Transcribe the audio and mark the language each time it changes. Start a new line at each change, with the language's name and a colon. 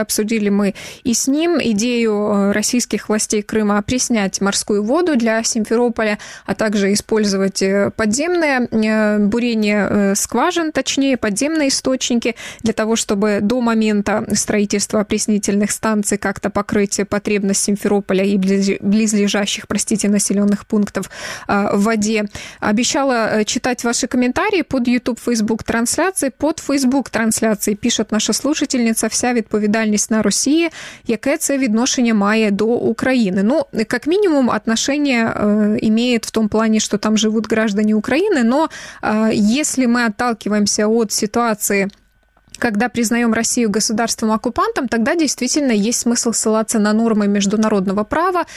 Russian: Обсудили мы и с ним идею российских властей Крыма опреснять морскую воду для Симферополя, а также использовать подземное бурение скважин, точнее, подземные источники, для того, чтобы до момента строительства опреснительных станций как-то покрыть потребность Симферополя и близлежащих, простите, населенных пунктов в воде. Обещала читать ваши комментарии под YouTube, Facebook трансляции. Под Facebook трансляции пишет наша слушательница:
Ukrainian: вся відповідальність на Росії, яке це відношення має до України.
Russian: Ну, как минимум, отношение имеет в том плане, что там живут граждане Украины, но если мы отталкиваемся от ситуации, когда признаем Россию государством-оккупантом, тогда действительно есть смысл ссылаться на нормы международного права.